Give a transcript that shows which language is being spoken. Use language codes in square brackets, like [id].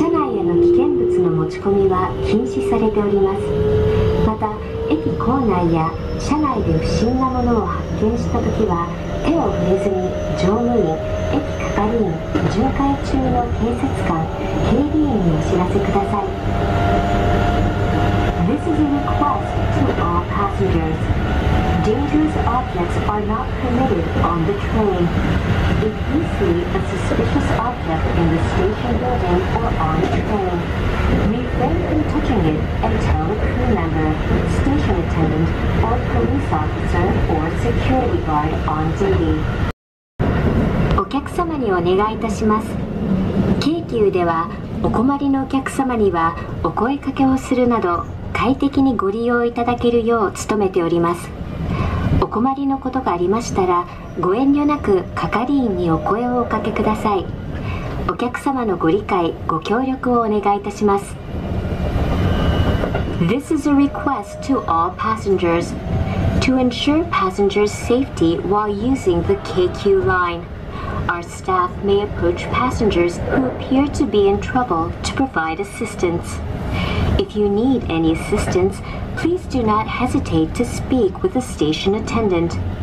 [ja] 車内への危険物の持ち込みは禁止されております。また駅構内や車内で不審なものを発見したときは手を触れずに乗務員、駅係員、巡回中の警察官、警備員にお知らせください。 [en] This is a request to all passengers. Dangerous objects are not permitted on the train. If you see a suspicious object in the station building or on the train, refrain from touching it and tell a crew member, station attendant, or police officer or security guard on duty. [ja] お客様にお願いいたします。京急ではお困りのお客様にはお声かけをするなど快適にご利用いただけるよう努めております。お困りのことがありましたら、ご遠慮なく係員にお声をおかけください。お客様のご理解、ご協力をお願いいたします。 [en] This is a request to all passengers. To ensure passengers' safety while using the KQ line, our staff may approach passengers who appear to be in trouble to provide assistance. If you need any assistance, please do not hesitate to speak with a station attendant.